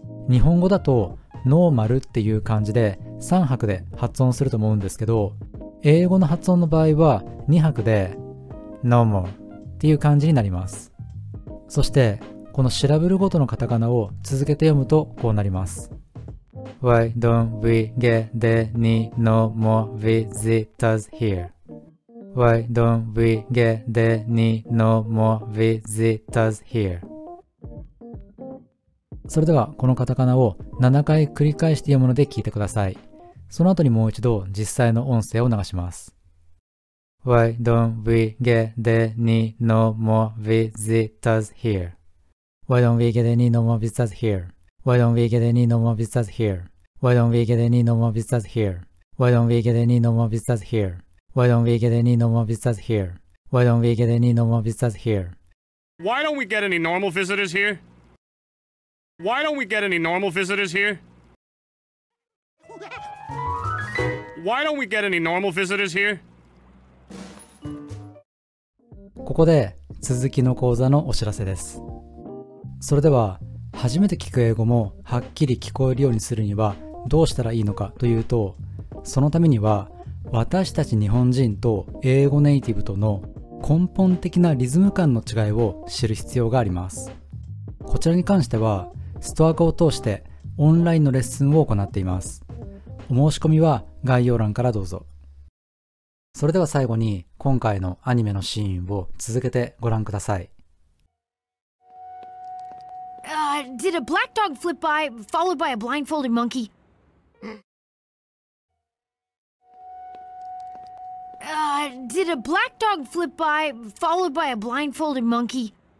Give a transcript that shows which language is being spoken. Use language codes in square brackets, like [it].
[ja] 日本語だとノーマルっていう感じで三拍で発音すると思うんですけど、英語の発音の場合は二拍で normal っていう感じになります。そしてこのシラブルごとのカタカナを続けて読むとこうなります。 [en] Why don't we get any no more visitors here? Why don't we get any no more visitors here? [ja] それではこのカタカナを7回繰り返して読むので聞いてください。その後にもう一度実際の音声を流します。 [en] Why don't we get any no more visitors here? Why don't we get any no more visitors here? Why don't we get any no more visitors here? Why don't we get any no more visitors here? Why don't we get any no more visitors here? Why don't we get any no more visitors here? Why don't we get any no more visitors here? Why don't we get any normal visitors here? Why don't we get any normal visitors here? Why don't we get any normal visitors here? [ja] ここで続きの講座のお知らせです。それでは初めて聞く英語もはっきり聞こえるようにするにはどうしたらいいのかというと、そのためには私たち日本人と英語ネイティブとの根本的なリズム感の違いを知る必要があります。こちらに関してはストアカを通してオンラインのレッスンを行っています。お申し込みは概要欄からどうぞ。それでは最後に今回のアニメのシーンを続けてご覧ください。 [en] Did a black dog flip by, followed by a blindfolded monkey? Did a black dog flip by, followed by a blindfolded monkey?